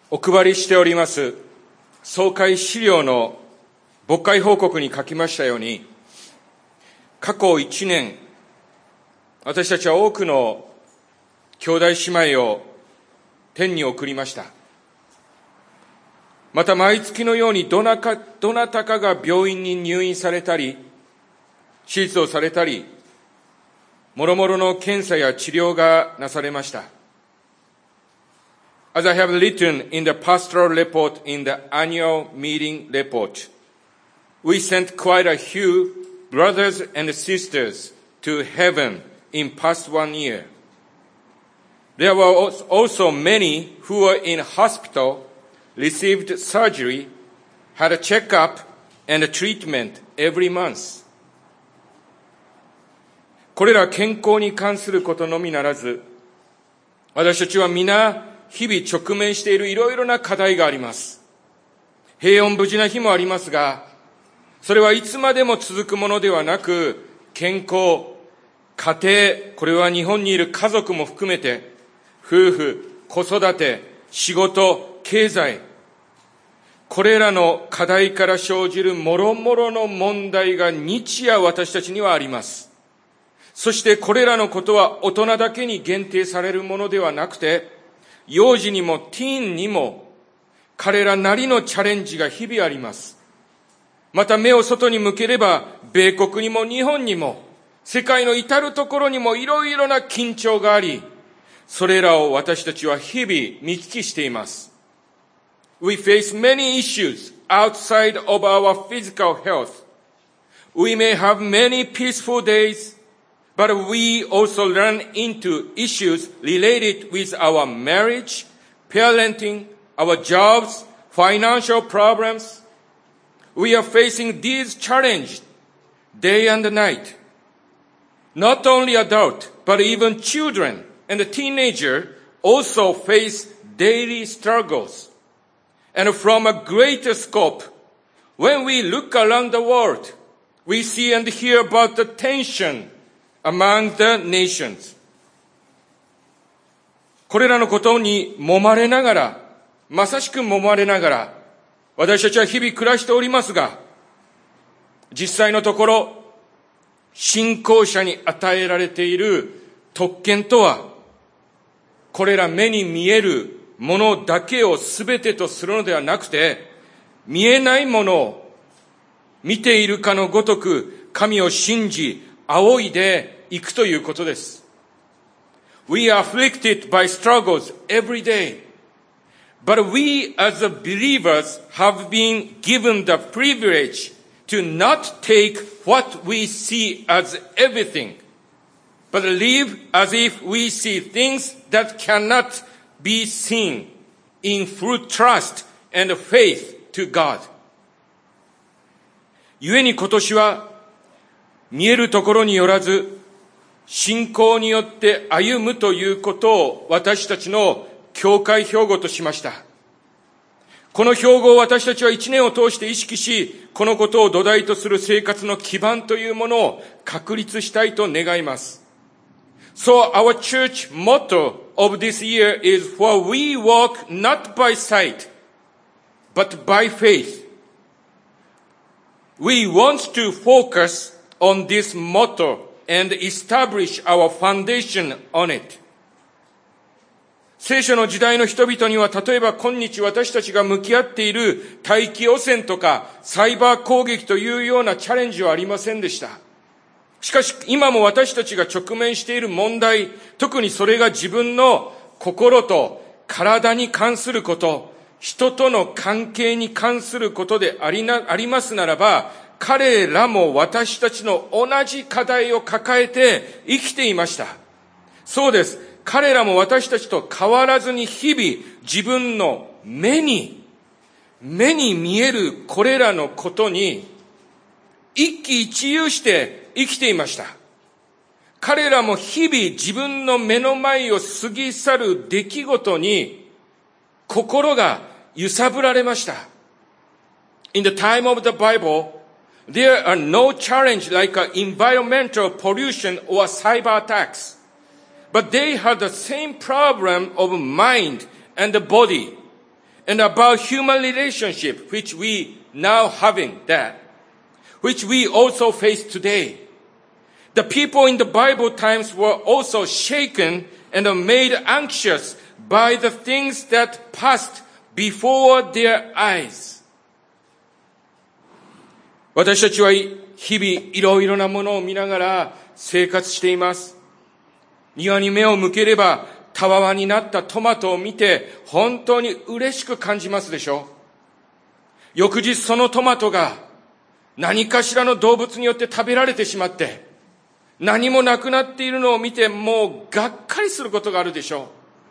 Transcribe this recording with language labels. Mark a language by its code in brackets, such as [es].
[ja] お配りしております総会資料の牧会報告に書きましたように、過去1年私たちは多くの兄弟姉妹を天に送りました。また毎月のようにどなたかが病院に入院されたり手術をされたり、もろもろの検査や治療がなされました。 [en] As I have written in the pastoral report in the annual meeting report, we sent quite a few brothers and sisters to heaven in past one year. There were also many who were in hospital, received surgery, had a checkup and a treatment every month. [ja] これら健康に関することのみならず、私たちは皆日々直面しているいろいろな課題があります。平穏無事な日もありますが、それはいつまでも続くものではなく、健康、家庭、これは日本にいる家族も含めて、夫婦、子育て、仕事、経済、これらの課題から生じるもろもろの問題が日夜私たちにはあります。そしてこれらのことは大人だけに限定されるものではなくて、幼児にもティーンにも彼らなりのチャレンジが日々あります。また目を外に向ければ、米国にも日本にも世界の至るところにもいろいろな緊張があり、それらを私たちは日々見聞きしています。 [en] We face many issues outside of our physical health. We may have many peaceful daysBut we also run into issues related with our marriage, parenting, our jobs, financial problems. We are facing these challenges day and night. Not only adults, but even children and teenagers also face daily struggles. And from a greater scope, when we look around the world, we see and hear about the tension. Among the nations. [ja] これらのことに揉まれながら、まさしく揉まれながら、私たちは日々暮らしておりますが、実際のところ、信仰者に与えられている特権とは、これら目に見えるものだけを全てとするのではなくて、見えないものを見ているかのごとく、神を信じ、仰いで、行くということです。 [en] We are afflicted by struggles every day, but we as believers have been given the privilege to not take what we see as everything, but live as if we see things that cannot be seen in full trust and faith to God. [ja] 故に今年は見えるところによらず、信仰によって歩むということを私たちの教会標語としました。この標語を私たちは一年を通して意識し、このことを土台とする生活の基盤というものを確立したいと願います。 [en] So our church motto of this year is For we walk not by sight but by faith. We want to focus on this mottoand establish our foundation on it. [ja] 聖書の時代の人々には、例えば今日私たちが向き合っている大気汚染とかサイバー攻撃というようなチャレンジはありませんでした。しかし今も私たちが直面している問題、特にそれが自分の心と体に関すること、人との関係に関することでありますならば、彼らも私たちの同じ課題を抱えて生きていました。そうです。彼らも私たちと変わらずに日々自分の目に見えるこれらのことに一喜一憂して生きていました。彼らも日々自分の目の前を過ぎ去る出来事に心が揺さぶられました。 [en] In the time of the Bible,There are no challenge like environmental pollution or cyber attacks. But they had the same problem of mind and body. And about human relationship, which we now having that, which we also face today. The people in the Bible times were also shaken and made anxious by the things that passed before their eyes. [ja] 私たちは日々いろいろなものを見ながら生活しています。庭に目を向ければたわわになったトマトを見て本当に嬉しく感じますでしょう。翌日そのトマトが何かしらの動物によって食べられてしまって何もなくなっているのを見てもうがっかりすることがあるでしょう。